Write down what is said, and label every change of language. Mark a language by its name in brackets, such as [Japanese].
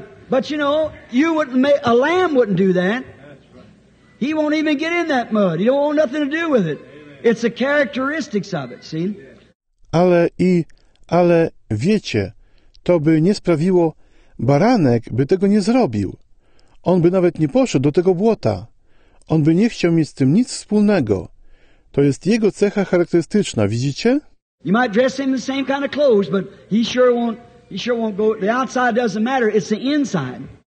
[English] But you know, you wouldn't make, a lamb wouldn't do that. He won't even get in that mud. He don't want nothing to do with it. It's the characteristics of it, see? [Polish] Ale wiecie, to by nie sprawiło, baranek by tego nie zrobił. On by nawet nie poszedł do tego błota. On by nie chciał mieć z tym nic wspólnego. To jest jego cecha charakterystyczna, widzicie? [English] You might dress him in the same kind of clothes, but he sure won't go. The outside doesn't matter, it's the inside.